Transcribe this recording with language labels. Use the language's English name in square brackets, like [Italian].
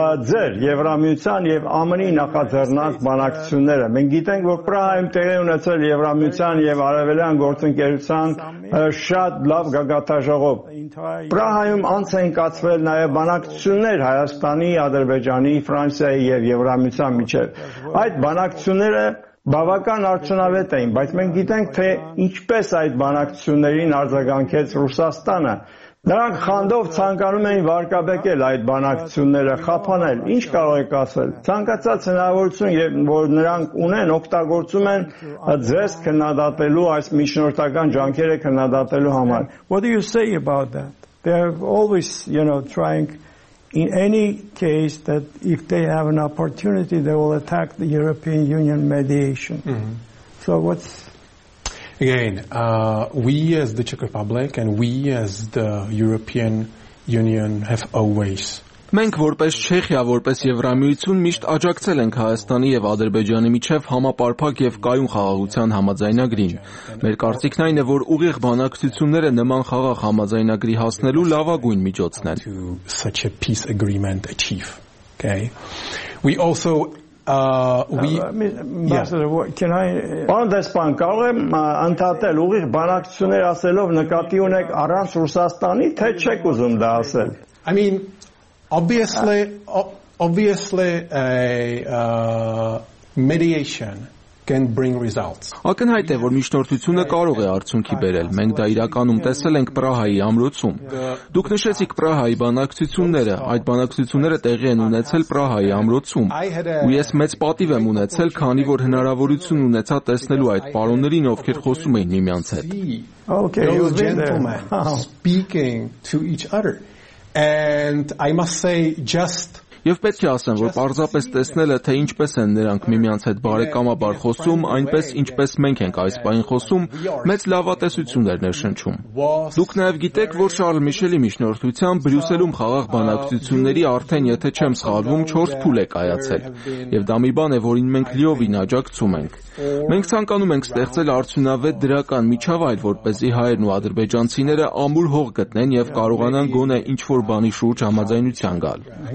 [Armenian] ձեր Եվրամիության և ԱՄՆ-ի ձեռնած բանակցությունները։ Մենք գիտենք, որ Պրահայում տեղի ունեցել Եվրամիության և Արևելյան գործընկերության շատ լավ գագաթաժողով։ Պրահայում անց են կացվել նաև բանակցություններ Հայաստանի, Ադրբեջանի, Ֆրանսիայի և Եվրամիության միջև։ Այդ բանակցությունները բավական արդյունավետ էին, բայց մենք գիտենք, թե ինչպես այդ բանակցություններին արձագանքեց Ռուսաստանը։ Նրանք խանդով ցանկանում էին վարկաբեկել այդ բանակցությունները, խափանել։ Ինչ կարող եք ասել, ցանկացած հնարավորություն, որ նրանք ունեն, օգտագործում են ձեզ քննադատելու, այս միջնորդական ջանքերը քննադատելու համար։ [English] What do you say about that? They are always, you know, trying in any case that if they have an opportunity they will attack the European Union mediation. So what's Again, we as the Czech Republic and we as the European Union have always [Armenian] Մենք որպես Չեխիա, որպես Եվրամիություն միշտ աջակցել ենք Հայաստանի եւ Ադրբեջանի միջև համապարփակ եւ կայուն խաղաղության համաձայնագրին։ Մեր կարծիքն այն է, որ ուղիղ բանակցությունները նման խաղաղ համաձայնագրի հասնելու լավագույն միջոցն են։ [English] Such a peace agreement achieve. Okay? We also [Armenian] Պարոն դեսպան, կարող եմ ընդհատել, ուղիղ բանակցություններ ասելով նկատի ունեք առանց Ռուսաստանի, թե չեք ուզում դա ասել։ [English] I mean, obviously a mediation can bring results. [Armenian] Ակնհայտ է, որ միջնորդությունը կարող է արդյունքի բերել։ Մենք դա իրականում տեսել ենք Պրահայի ամրոցում։ Դուք նշեցիք Պրահայի բանակցությունները, այդ բանակցությունները տեղի են ունեցել Պրահայի ամրոցում։ Ու ես մեծ պատիվ եմ ունեցել, քանի որ հնարավորություն ունեցա տեսնելու այդ պարոններին, ովքեր խոսում էին միմյանց հետ։ [English] Okay, you gentlemen speaking to each other. And I must say just [Armenian] Եվ պետք է ասեմ, որ պարզապես տեսնելը, թե ինչպես են նրանք միմյանց հետ բարեկամաբար խոսում, այնպես ինչպես մենք ենք այս պահին խոսում, մեծ լավատեսություն էր ներշնչում։ Դուք նաև գիտեք, որ Շարլ Միշելի միջնորդության Բրյուսելում խաղաղ բանակցությունների արդեն, եթե չեմ սխալվում, 4 փուլ է կայացել, եւ դա մի բան է, որին մենք լիովին աջակցում ենք։ Մենք ցանկանում ենք ստեղծել արդյունավետ դրական միջավայր, որպեսզի հայերն ու ադրբեջանցիները ամուր հող գտնեն եւ կարողանան գոնե ինչ-որ բանի շուրջ համաձայնության գալ։